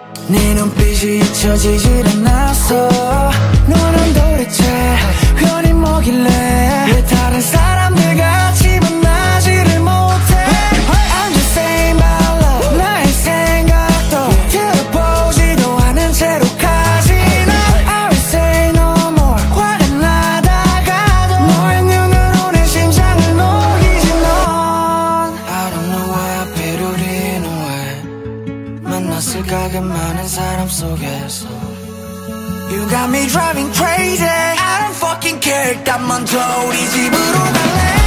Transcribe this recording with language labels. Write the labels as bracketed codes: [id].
[ko] 네 눈빛이 잊혀지질 않아서 너랑 도대체 흔히 뭐길래 왜 다른 사람들 같이 만나지를 못해. [en] Hey, I'm just saying my love. [ko] 나의 생각도 들어보지도 않은 채로 가지 나. [en] I will say no more. [ko] 화를 나다가도 너의 눈으로 내 심장을 녹이지 넌. [en] I don't know why I feel it in a way. [ko] 만났을까 그 많은 사람 속에서. [en] You got me driving crazy. I don't fucking care. [ko] 딱 먼저 우리 집으로 갈래.